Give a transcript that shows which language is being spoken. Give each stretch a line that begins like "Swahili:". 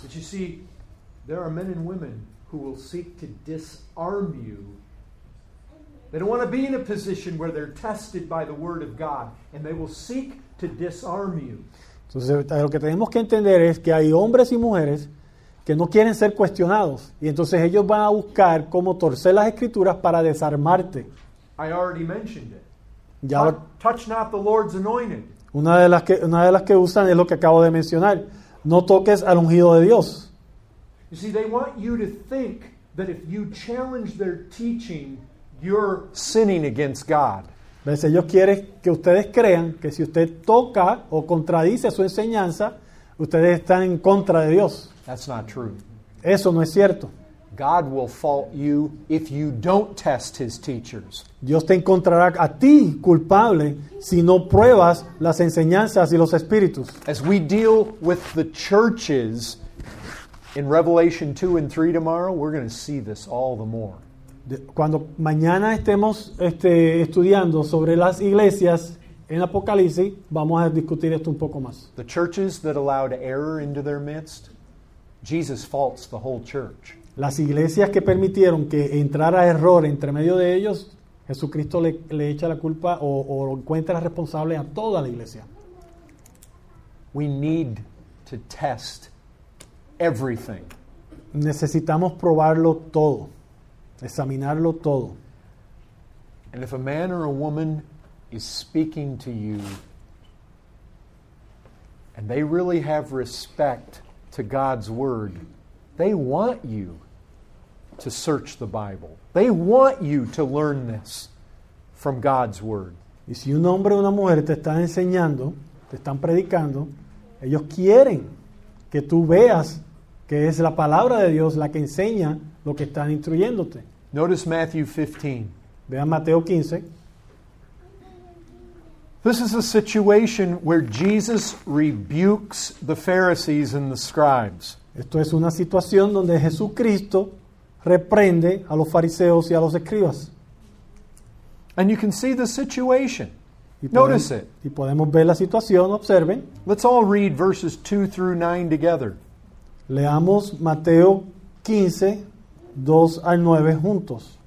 English: But you see, there are men and women who will seek to disarm you. They don't want to be in a position where they're tested by the word of God, and they will seek to disarm you.
Spanish: Entonces lo que tenemos que entender es que hay hombres y mujeres que no quieren ser cuestionados. Y entonces ellos van a buscar cómo torcer las escrituras para desarmarte.
English: I already mentioned it.
Spanish: Ya,
English: touch not the Lord's anointed.
Spanish: Una de las que usan es lo que acabo de mencionar. No toques al ungido de Dios.
English: You see, they want you to think that if you challenge their teaching, you're sinning against God.
Spanish: ¿Ves? Ellos quieren que ustedes crean que si usted toca o contradice su enseñanza, ustedes están en contra de Dios.
English: That's not true.
Spanish: Eso no es cierto.
English: God will fault you if you don't test his teachers.
Spanish: Dios te encontrará a ti culpable si no pruebas las enseñanzas y los espíritus.
English: As we deal with the churches in Revelation 2 and 3 tomorrow, we're going to see this all the more.
Spanish: Cuando mañana estemos estudiando sobre las iglesias en Apocalipsis, vamos a discutir esto un poco más.
English: The churches that allowed error into their midst, Jesus faults the whole church.
Spanish: Las iglesias que permitieron que entrara error entre medio de ellos, Jesucristo le echa la culpa o encuentra responsable a toda la iglesia.
English: We need to test everything.
Spanish: Necesitamos probarlo todo, examinarlo todo.
English: And if a man or a woman is speaking to you and they really have respect to God's word, they want you to search the Bible. They want you to learn this from God's word.
Spanish: Y si un hombre o una mujer te están enseñando, te están predicando, ellos quieren que tú veas que es la palabra de Dios la que enseña lo que están instruyéndote.
English: Notice Matthew 15.
Spanish: Vea Mateo 15.
English: This is a situation where Jesus rebukes the Pharisees and the scribes.
Spanish: Esto es una situación donde Jesucristo reprende a los fariseos y a los escribas.
English: And you can see the situation. Notice it.
Spanish: Y podemos ver la situación, observen.
English: Let's all read verses 2 through 9 together.
Spanish: Leamos Mateo 15, 2 al 9 juntos.